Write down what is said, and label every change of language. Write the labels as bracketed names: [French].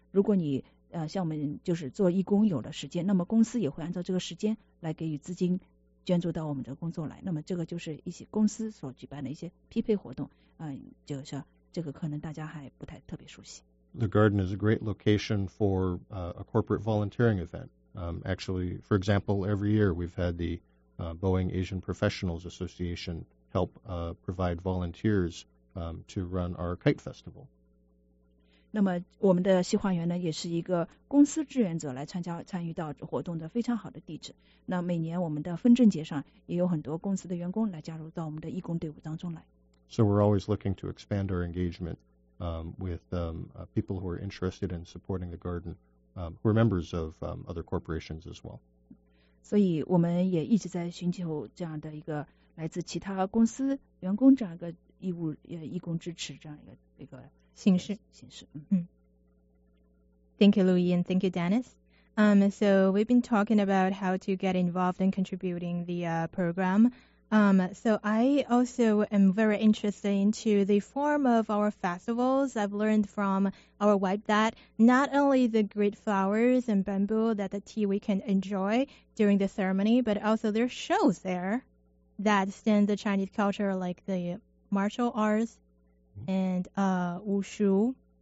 [Chinese] 如果你像我们就是做义工有了时间，那么公司也会按照这个时间来给予资金捐助到我们的工作来。那么这个就是一些公司所举办的一些匹配活动，就是这个可能大家还不太特别熟悉。 [English] The garden is a great location for a corporate volunteering event. Actually, for example, every year we've had the Boeing Asian Professionals Association help provide volunteers to run our kite festival. [Chinese] 那么我们的西花园呢，也是一个公司志愿者来参与到活动的非常好的地址。那每年我们的分证节上，也有很多公司的员工来加入到我们的义工队伍当中来。 [English] So we're always looking to expand our engagement people who are interested in supporting the garden, who are members of other corporations as well. [Chinese] 所以我们也一直在寻求这样的一个来自其他公司员工这样一个义工支持这样一个形式。 [English] Thank you, Louis, and thank you, Dennis. So we've been talking about how to get involved in contributing the program. So I also am very interested into the form of our festivals. I've learned from our web that not only the great flowers and bamboo that the tea we can enjoy during the ceremony, but also there are shows there that stand the Chinese culture, like the martial arts and wushu.